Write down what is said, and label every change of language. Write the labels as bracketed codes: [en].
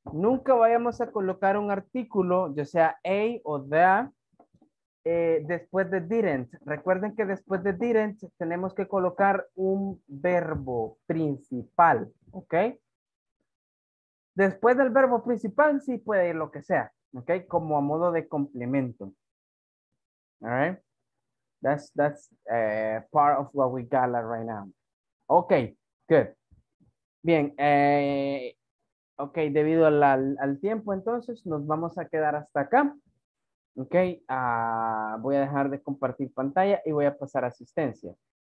[es] Nunca vayamos a colocar un artículo, ya sea a o the, después de didn't. Recuerden que después de didn't tenemos que colocar un verbo principal, ¿ok? Después del verbo principal sí puede ir lo que sea, ¿ok? Como a modo de complemento. [en] All right? That's part of what we got right now. Okay, good. Bien. [es] Okay, debido al tiempo, entonces, nos vamos a quedar hasta acá. Okay, voy a dejar de compartir pantalla y voy a pasar asistencia.